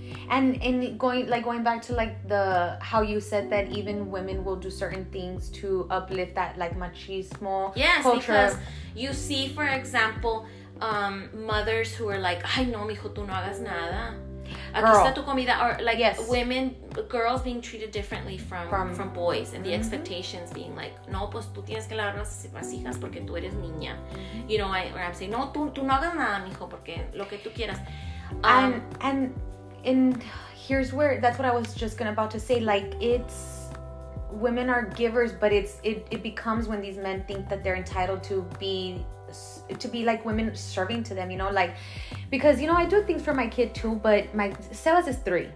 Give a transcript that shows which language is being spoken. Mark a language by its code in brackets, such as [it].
[en] And going back to like the how you said that even women will do certain things to uplift that like machismo. Yes, culture. Because you see, for example, mothers who are like, [es] ay no, mijo, tú no hagas nada. [en] Girl. [es] Aquí está tu comida, [en] or like, yes. Women, girls being treated differently from boys, and the mm-hmm. expectations being like, [es] no, pues tú tienes que lavar las vasijas porque tú eres niña. [en] You know, or I'm saying, [es] no, tú no hagas nada, mijo, porque lo que tú quieras. [en] And here's where, that's what I was just gonna about to say, like, it's, women are givers, but it's it becomes when these men think that they're entitled to be like women serving to them, you know, like, because, you know, I do things for my kid too, but my Sebas is 3.